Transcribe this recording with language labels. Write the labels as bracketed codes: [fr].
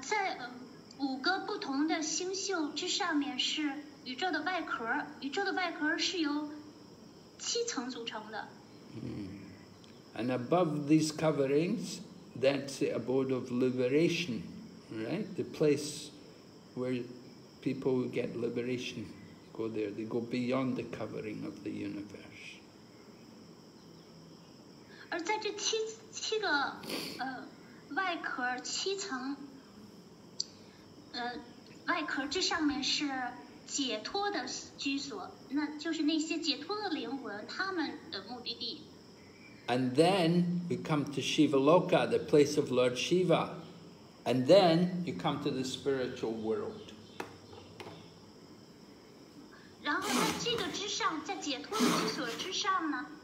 [zh] 在五个不同的星宿之上面是宇宙的外壳。宇宙的外壳是由七层组成的。 [en] And above these coverings, that's the abode of liberation, right? The place where people get liberation. Go there. They go beyond the covering of the universe. [zh] 而在这七个外壳之上面是解脱的居所，那就是那些解脱的灵魂他们的目的地。 [en] And then we come to Shiva Loka, the place of Lord Shiva, and then you come to the spiritual world. [zh] 然后在这个之上，在解脱的居所之上呢？